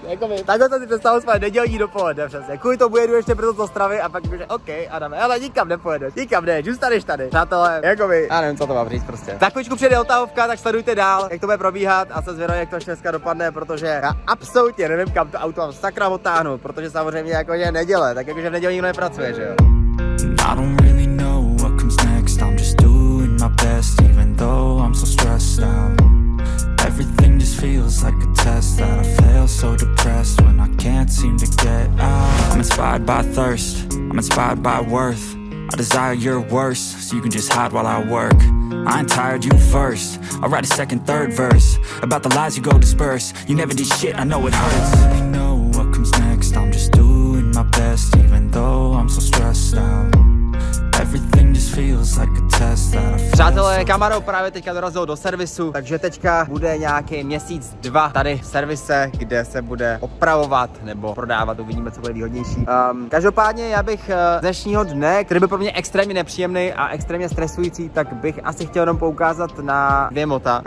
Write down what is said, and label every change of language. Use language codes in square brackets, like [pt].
[cs] Jakoby, takhle jsem si představil svoje nedělní dopoledne přesně. Kvůli tomu jedu ještě brzo z Ostravy a pak bude, OK, a dáme, ale nikam nepojedeš, nikam ne, zůstaneš tady. Přátelé, jakoby, já nevím, co to mám říct prostě. Za chvíličku přijde otahovka, tak sledujte dál, jak to bude probíhat a se zvědavý, jak to dneska dopadne, protože já absolutně nevím, kam to auto mám sakra otáhnout, protože samozřejmě jako je neděle, tak jakože v neděli nikdo nepracuje, že jo. [en] I don't really know what comes next, I'm just doing my best, even though I'm so stressed out. Everything just feels like a test that I feel so depressed when I can't seem to get out. I'm inspired by thirst, I'm inspired by worth. I desire your worst, so you can just hide while I work. I ain't tired, you first. I'll write a second, third verse about the lies you go disperse. You never did shit, I know it hurts. I know what comes next, I'm just doing my best, even though I'm so stressed out. Everything just feels like a test. [cs] Přátelé, Camaro právě teďka dorazil do servisu, takže teďka bude nějaký měsíc, dva tady v servise, kde se bude opravovat nebo prodávat, uvidíme, co bude výhodnější. Každopádně já bych z dnešního dne, který byl pro mě extrémně nepříjemný a extrémně stresující, tak bych asi chtěl jenom poukázat na dvě mota.